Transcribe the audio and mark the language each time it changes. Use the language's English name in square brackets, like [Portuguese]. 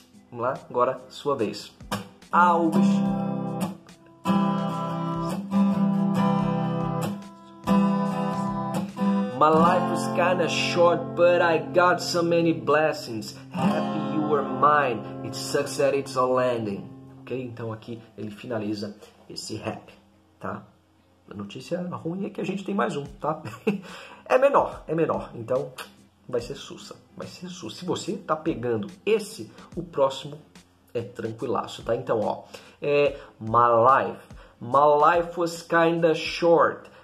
[Portuguese] Vamos lá, agora sua vez. I [English] My life was kinda short, but I got so many blessings. Happy you were mine, it sucks that it's all ending. Ok? [Portuguese] Então aqui ele finaliza esse rap, tá? A notícia ruim é que a gente tem mais um, tá? É menor. Então vai ser sussa. Se você tá pegando esse, o próximo é tranquilaço, tá? Então, ó. [English] É My life was kinda short.